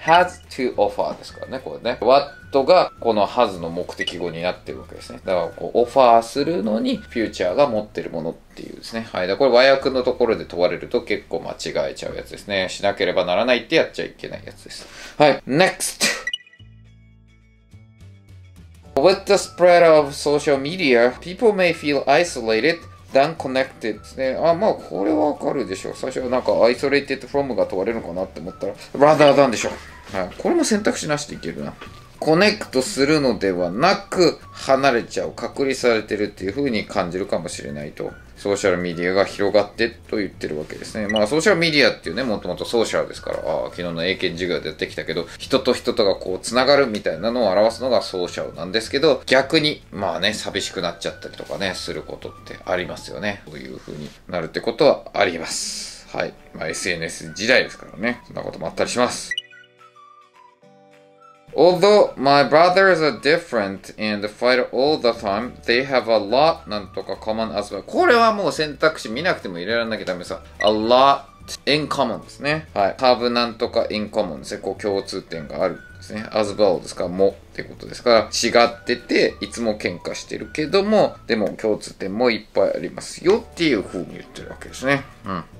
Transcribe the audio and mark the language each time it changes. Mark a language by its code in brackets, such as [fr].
[en] has to offer [ja] ですからね、これね。what がこの has の目的語になってるわけですね。だから、こう、オファーするのに、future が持ってるものって。っていうですね。はい、だこれ和訳のところで問われると結構間違えちゃうやつですね。しなければならないってやっちゃいけないやつです。はい、NEXT! [en] With the spread of social media, people may feel isolated than connected [ja] ですね。あ、まあこれはわかるでしょう。最初はなんか isolated from が問われるのかなって思ったら [en] rather than [ja] でしょう。はい、これも選択肢なしでいけるな。コネクトするのではなく離れちゃう、隔離されてるっていう風に感じるかもしれないと。ソーシャルメディアが広がってと言ってるわけですね。まあソーシャルメディアっていうね、もともとソーシャルですから、昨日の英検授業でやってきたけど、人と人とがこうつながるみたいなのを表すのがソーシャルなんですけど、逆にまあね、寂しくなっちゃったりとかねすることってありますよね。そういう風になるってことはあります。はい、まあ SNS 時代ですからね、そんなこともあったりします。 [en] Although my brothers are different and fight all the time, they have a lot [ja] なんとか [en] common as well. [ja] これはもう選択肢見なくても入れられなきゃダメさ。 [en] A lot in common [ja] ですね。はい。have なんとか in common ですね。こう共通点があるんですね。 [en] as well [ja] ですか、もってことですから、違ってて、いつも喧嘩してるけども、でも共通点もいっぱいありますよっていう風に言ってるわけですね。うん。